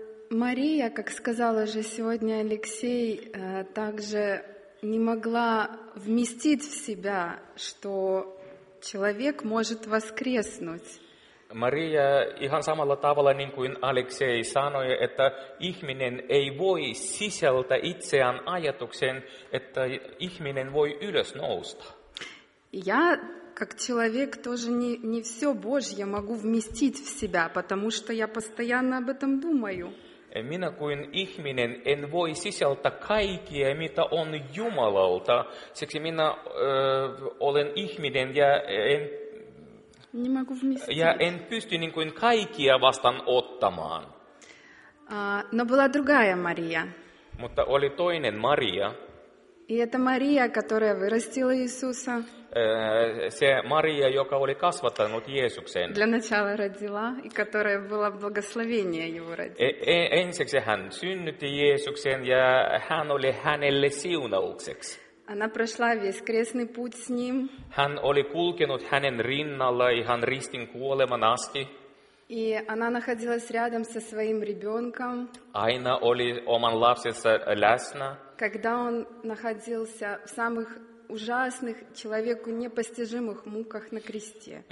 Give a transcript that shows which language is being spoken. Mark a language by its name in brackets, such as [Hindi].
[Russian] Мария, как сказал уже сегодня Алексей, также не могла вместить в себя, что человек может воскреснуть. [Finnish] Мария, ihan samalla tavalla, niin kuin Алексей sanoi, että ihminen ei voi sisältä itseään ajatuksen, että ihminen voi ylös nousta. [Russian] Я, как человек, тоже не все Божье могу вместить в себя, потому что я постоянно об этом думаю. [Finnish] Minä kuin ihminen en voi sisältää kaikkea, mitä on Jumalalta. Siksi minä olen ihminen ja en pysty niin kuin kaikkea vastaanottamaan. [Russian] Но была другая Мария. [Finnish] Mutta oli toinen Maria. [Russian] И это Мария, которая вырастила Иисуса. [Finnish] Se Maria, joka oli kasvattanut Jeesuksen. [Russian] Для начала родила, и которая была благословение его родить. [Finnish] Ensiksi hän synnytti Jeesuksen ja hän oli hänelle siunaukseksi. [Russian] Она прошла весь крестный путь с ним. [Finnish] Hän oli kulkenut hänen rinnalla ihan ristin kuoleman asti. [Russian] И она находилась рядом со своим ребенком. [Finnish] Aina oli oman lapsensa läsnä. [Russian] Когда он находился в самых ужасных, человеку непостижимых муках на кресте.